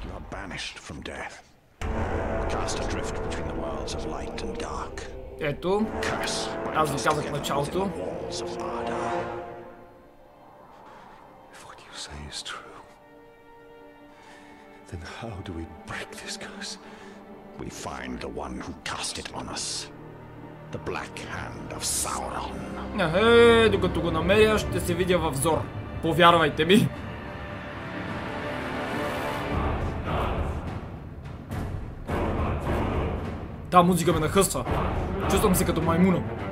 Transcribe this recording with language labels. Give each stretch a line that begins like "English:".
English: Banished from death, cast adrift between the worlds of light and dark.
Bulgarian: Ето, аз ви казах началото.
English: If what you say is true, then how do we break this curse? We find the one who cast it on us, the Black Hand of Sauron.
Bulgarian: Ехе, докато го намеря, ще се видя във зор. Повярвайте ми. Та музика ме нахъства. Чувствам се като маймуна.